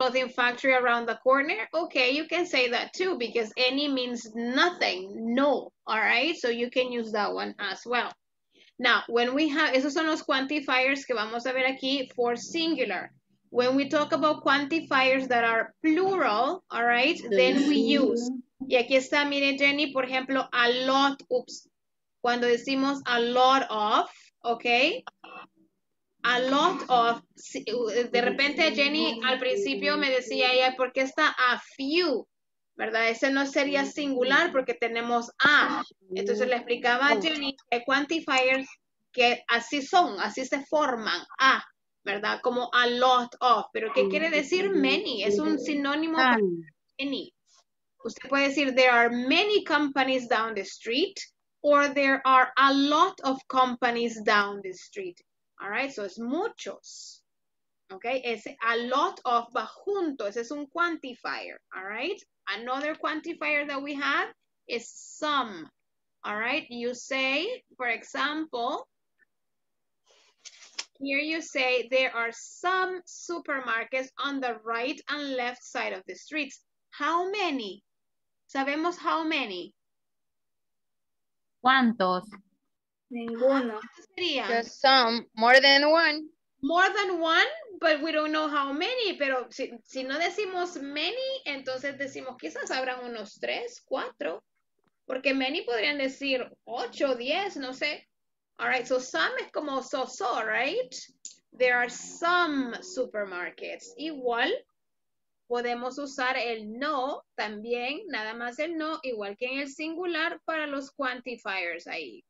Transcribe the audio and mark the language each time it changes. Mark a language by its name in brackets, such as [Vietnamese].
[English] clothing factory around the corner? Okay, you can say that too, because any means nothing, no, all right? So you can use that one as well. Now, when we have, [Spanish] esos son los quantifiers que vamos a ver aquí [English] for singular. When we talk about quantifiers that are plural, all right, then we use. [Spanish] Y aquí está, mire Jenny, por ejemplo, a lot, oops. Cuando decimos a lot of, okay? A lot of, de repente Jenny al principio me decía ella, ¿por qué está a few? ¿Verdad? Ese no sería singular porque tenemos a. Entonces le explicaba a Jenny que quantifiers que así son, así se forman, a, ¿verdad? Como a lot of, pero ¿qué quiere decir many? Es un sinónimo de many. Usted puede decir, [English] there are many companies down the street, or there are a lot of companies down the street. All right, so it's muchos. Okay, it's a lot of, [Spanish] va junto, ese es un quantifier, [English] all right? Another quantifier that we have is some, all right? You say, for example, here you say, there are some supermarkets on the right and left side of the streets. How many? [Spanish] Sabemos [English] how many? [Spanish] ¿Cuántos? Ninguno. [English] Just some, more than one. More than one, but we don't know how many. [Spanish] Pero si, si no decimos many, entonces decimos quizás habrán unos tres, cuatro. Porque many podrían decir ocho, diez, no sé. [English] All right, so some [Spanish] es como so-so, right? [English] There are some supermarkets. [Spanish] Igual podemos usar el no también, nada más el no, igual que en el singular para los quantifiers ahí.